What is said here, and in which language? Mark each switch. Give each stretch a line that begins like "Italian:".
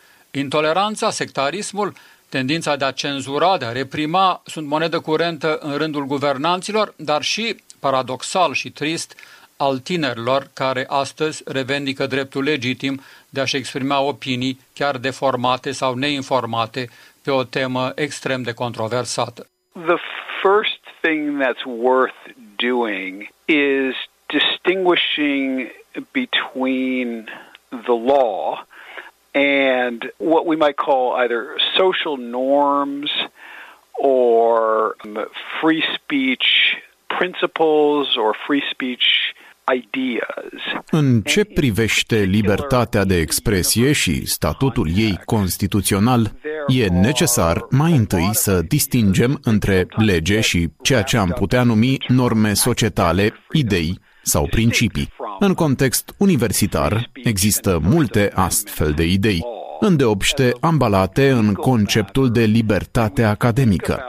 Romanian: Intoleranța, sectarismul, tendința de a cenzura, de a reprima, sunt monedă curentă în rândul guvernanților, dar și, paradoxal și trist, al tinerilor care astăzi revendică dreptul legitim de a-și exprima opinii chiar deformate sau neinformate pe o temă extrem de controversată.
English: The first thing that's worth doing is distinguishing between the law and what we might call either social norms or free speech principles or free speech ideas.
Romanian: În ce privește libertatea de expresie și statutul ei constituțional, e necesar mai întâi să distingem între lege și ceea ce am putea numi norme societale, idei sau principii. În context universitar, există multe astfel de idei, îndeobște ambalate în conceptul de libertate academică.